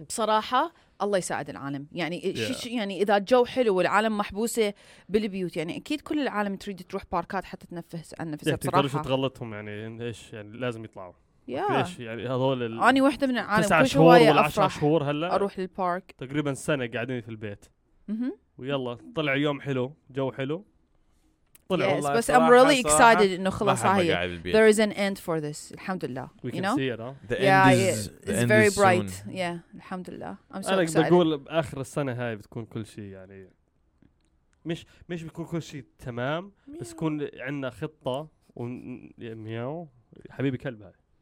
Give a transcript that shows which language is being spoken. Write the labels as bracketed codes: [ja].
[ar] بصراحة الله يساعد العالم يعني yeah. يعني إذا الجو حلو والعالم محبوسة بالبيوت يعني أكيد كل العالم تريد تروح باركات حتى تنفس عن نفسها بصراحة. تقدرش تغلطهم يعني إيش يعني لازم يطلعوا. ليش يعني هذول أنا واحدة من العالم. تسعة شهور ولا عشر شهور هلا. أروح للبارك. تقريبا سنة قاعدين في البيت. ويلا طلع يوم حلو جو حلو. [en] Yes, but I'm really excited [ar] إنه خلاص هاي. [en] There is an end for this. Alhamdulillah. We can see it, huh? The end is it's very bright. Soon. Yeah, Alhamdulillah. I'm so excited. [ar] أنا بقول بآخر السنة هاي بتكون كل شيء يعني مش بيكون كل شيء تمام بس يكون عندنا خطة ومياو حبيبي كلب هاي.